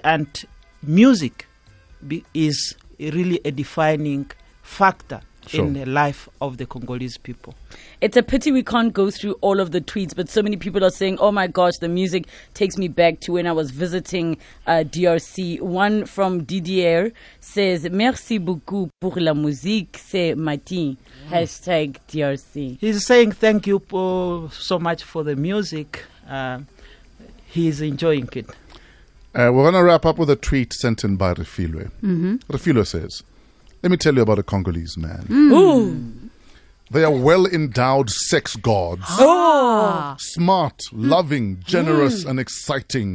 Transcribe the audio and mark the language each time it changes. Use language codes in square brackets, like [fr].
[en] And music is really a defining factor. Sure. In the life of the Congolese people. It's a pity we can't go through all of the tweets, but so many people are saying, oh my gosh, the music takes me back to when I was visiting DRC. One from Didier says, [fr] merci beaucoup pour la musique, c'est Mati, hashtag DRC. [en] He's saying thank you so much for the music. He's enjoying it. We're going to wrap up with a tweet sent in by Refilwe. Mm-hmm. Refilwe says, let me tell you about a Congolese man. Mm. They are well-endowed sex gods. Smart, loving, generous, and exciting.